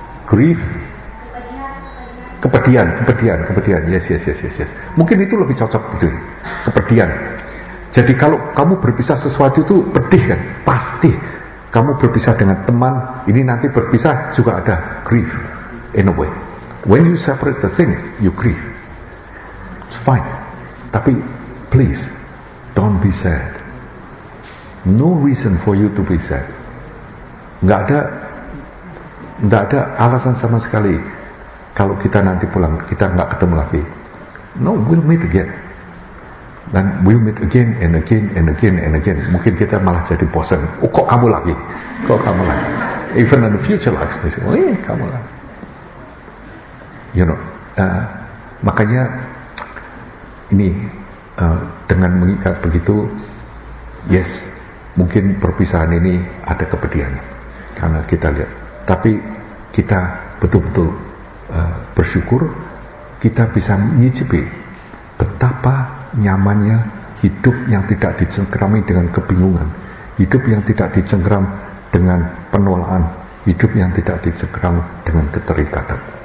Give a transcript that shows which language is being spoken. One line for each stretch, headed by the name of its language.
English: Grief?
Indonesian: Kepedihan.
English: Yes.
Indonesian: Mungkin itu lebih cocok gitu. Kepedihan. Jadi kalau kamu berpisah sesuatu itu pedih kan? Pasti. Kamu berpisah dengan teman, ini nanti berpisah juga ada grief.
English: In a way, when you separate the thing, you grieve. It's fine.
Indonesian: Tapi
English: please, don't be sad. No reason for you to be sad.
Indonesian: Enggak ada alasan sama sekali. Kalau kita nanti pulang, kita enggak ketemu lagi.
English: No, we'll meet again.
Indonesian: Dan
English: we'll meet again and again
Indonesian: and again and again. Mungkin kita malah jadi bosan. Oh, kok kamu lagi? Kok kamu lagi?
English: Even in the future life, they say,
Indonesian: "Oh, kamu lagi."
English: You know,
Indonesian: makanya ini dengan mengikat begitu, yes, mungkin perpisahan ini ada kepedihan karena kita lihat. Tapi kita betul-betul bersyukur kita bisa mengicipi betapa nyamannya hidup yang tidak dicengkerami dengan kebingungan, hidup yang tidak dicengkeram dengan penolakan, hidup yang tidak dicengkeram dengan keterikatan.